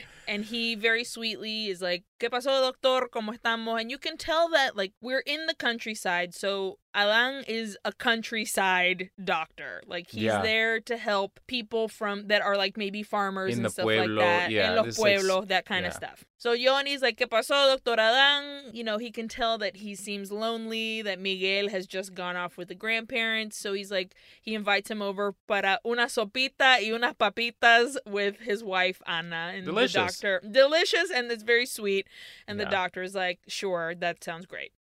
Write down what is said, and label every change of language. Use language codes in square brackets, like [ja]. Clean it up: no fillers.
[en] And he very sweetly is like, [es] ¿Qué pasó, doctor? ¿Cómo estamos? [en] And you can tell that, like, we're in the countryside. So Alan is a countryside doctor. Like, he's there to help people from that are, like, maybe farmers in and stuff [es] pueblo, [en] like that. Yeah, in [es] los pueblos, [en] like, that kind of stuff. So Yoni's like, [es] ¿Qué pasó, doctor Alan? [en] You know, he can tell that he seems lonely, that Miguel has just gone off with the grandparents. So he's like, he invites him over [es] para una sopita y unas papitas [en] with his wife, Ana. And delicious. The doctor, delicious, and it's very sweet. And the doctor is like, sure, that sounds great.